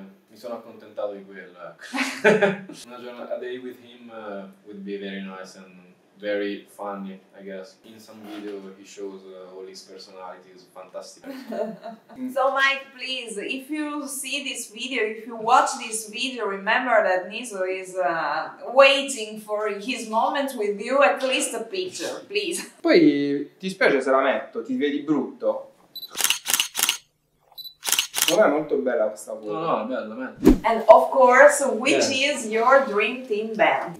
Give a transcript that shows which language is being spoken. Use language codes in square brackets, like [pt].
[it] Mi sono accontentato di quello. [en] A day with him would be very nice and very funny, I guess. In some video he shows all his personalities, fantastic. So Mike, please, if you see this video, if you watch this video, remember that Niso is waiting for his moment with you, at least a picture, please. [it] Poi ti spiace se la metto, ti vedi brutto. Non è molto bella questa foto. No, è bella, me. [en] And of course, which is your dream team band?